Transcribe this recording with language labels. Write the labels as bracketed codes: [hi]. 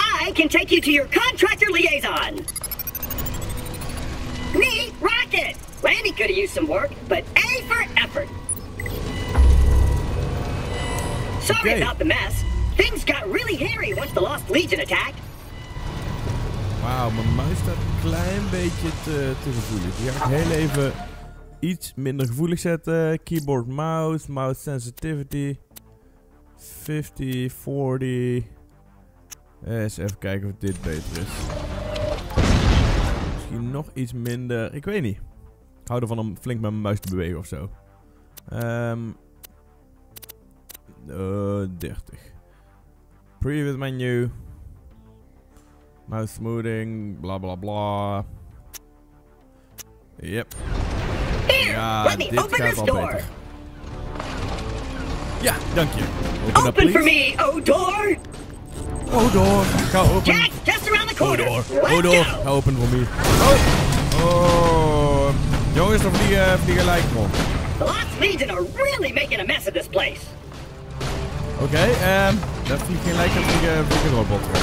[en] I can take you to your contractor liaison! Me, Rocket! Lanny could have used some work, but A for effort. Sorry about the mess. Things got really hairy once the Lost Legion attacked. Wow, my mouse [nl] staat een klein beetje te gevoelig. Die gaat heel even iets minder gevoelig zetten. [en] Keyboard, mouse, mouse sensitivity. 50, 40. [nl] Eens even kijken of dit beter is. Misschien nog iets minder, ik weet niet. Ik hou ervan om flink met mijn muis te bewegen of zo. [en] 30. Previous menu. Mouse smoothing. Bla bla bla. Yep. [nl] Here, ja, dit gaat al beter. Ja, dank je. [en] Open up, for me, Odor! [nl] Odor, ga open. [en] Jack, just around the corner. [nl] Odor, Odor, ga open voor me. Jongens, dan vliegen lijken we. [en] The Lost Legion are really making a mess of this place. [nl] Oké, dat vliegt geen lijken, dat vliegt een robot.